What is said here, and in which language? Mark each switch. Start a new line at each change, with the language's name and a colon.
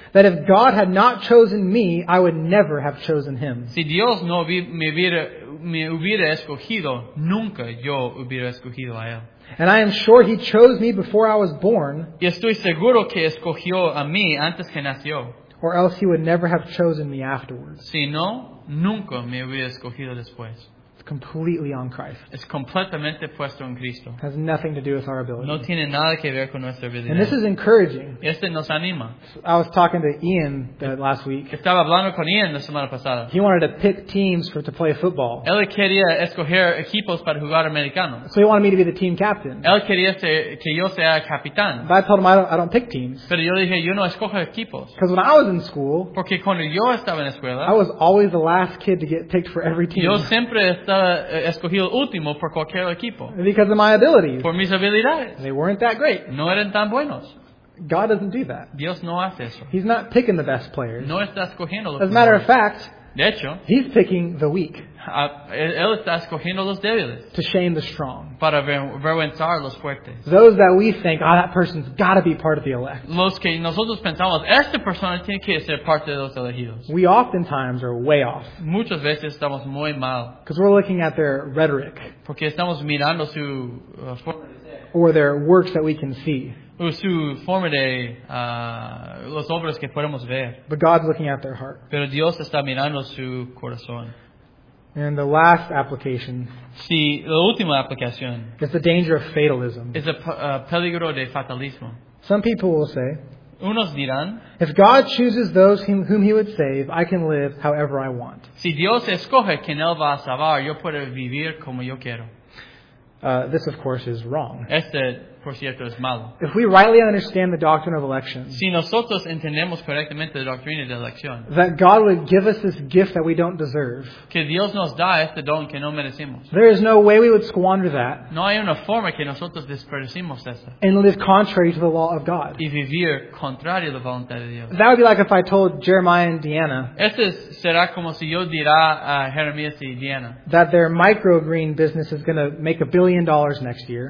English: That if God had not chosen me, I would never have chosen him.
Spanish: Si Dios no me hubiera escogido, nunca yo hubiera escogido a él.
English: And I am sure he chose me before I was born.
Spanish: Y estoy seguro que escogió a mí antes que nació.
English: or else he would never have chosen me afterwards.
Spanish: Si no, nunca me hubiera escogido después.
English: It's completely on Christ.
Spanish: Es completamente puesto en Cristo.
English: It has nothing to do with our ability.
Spanish: No tiene nada que ver con nuestra habilidad.
English: And this is encouraging.
Spanish: Este nos anima.
English: I was talking to Ian last week.
Spanish: Estaba hablando con Ian la semana pasada.
English: He wanted to pick teams to play football.
Spanish: Él quería escoger equipos para jugar americano.
English: So he wanted me to be the team captain.
Spanish: Él quería que yo sea capitán.
English: But I told him I don't pick teams.
Spanish: Pero yo dije, yo no escojo equipos.
English: Because when I was in school,
Spanish: porque cuando yo estaba en escuela,
English: I was always the last kid to get picked for every team.
Spanish: Yo siempre escogido último por cualquier equipo.
English: Because of my abilities.
Spanish: Por mis habilidades.
English: They weren't that great.
Spanish: No eran tan buenos.
English: God doesn't do that.
Spanish: Dios no hace eso.
English: He's not picking the best players.
Spanish: No está escogiendo los
English: As a matter of fact,
Spanish: de hecho,
English: he's picking the weak.
Spanish: Él está escogiendo los débiles.
English: To shame the strong.
Spanish: Para avergonzar los fuertes.
English: Those that we think, oh, that person's got to be part of the elect.
Spanish: Los que nosotros pensamos, esta persona tiene que ser parte de los elegidos.
English: We oftentimes are way off.
Spanish: Muchas veces estamos muy mal.
English: Because we're looking at their rhetoric.
Spanish: Porque estamos mirando su
English: or their works that we can see.
Spanish: O su forma de las obras que podemos ver.
English: But God's looking at their heart.
Spanish: Pero Dios está mirando su corazón.
English: And the last application.
Spanish: Sí, la última aplicación.
English: Is the danger of fatalism.
Spanish: Es el peligro de fatalismo.
English: Some people will say.
Spanish: Unos dirán.
English: If God chooses those whom he would save, I can live however I want.
Spanish: Si Dios escoge quien él va a salvar, yo puedo vivir como yo quiero.
English: This, of course, is wrong.
Spanish: Este, por cierto, es malo.
English: If we rightly understand the doctrine of election,
Spanish: si nosotros entendemos correctamente la doctrina de elección,
English: that God would give us this gift that we don't deserve,
Spanish: que Dios nos da este don que no merecemos,
English: there is no way we would squander that,
Spanish: no hay una forma que nosotros desperdiciemos esa,
English: and live contrary to the law of God.
Spanish: Y vivir contrario a la voluntad de Dios.
English: That would be like if I told Jeremiah and Deanna,
Spanish: este será como si yo dirá a Jeremías y Deanna,
English: that their microgreen business is going to make $1 billion next year,